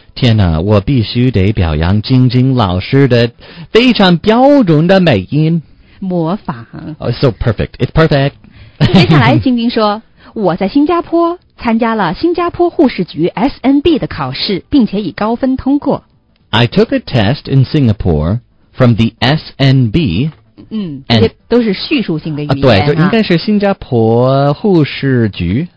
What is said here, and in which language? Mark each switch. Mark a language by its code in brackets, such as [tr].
[zh] 天哪，我必须得表扬晶晶老师的非常标准的美音。模仿。 [en] Oh, it's so perfect. It's perfect. [zh] 接下来晶晶说，我在新加坡参加了新加坡护士局 SNB 的考试，并且以高分通过。 [en] I took a test in Singapore from the SNB. [zh] 嗯，这些都是叙述性的语言啊。对，就应该是新加坡护士局